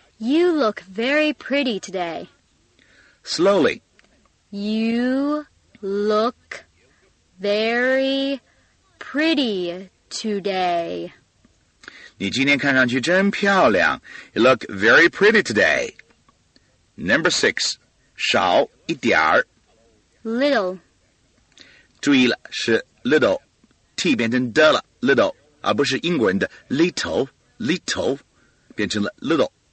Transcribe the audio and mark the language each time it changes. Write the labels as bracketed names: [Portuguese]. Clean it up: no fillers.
[English] You look very pretty today. Slowly. You look very pretty today. [Chinese] 你今天看上去真漂亮。 [English] You look very pretty today. Number six, [Chinese] 少一点儿。 [English] Little. [Chinese] 注意了，是 little, T 变成的了 ，little, 而不是英国人的 little. Little 变成了 little.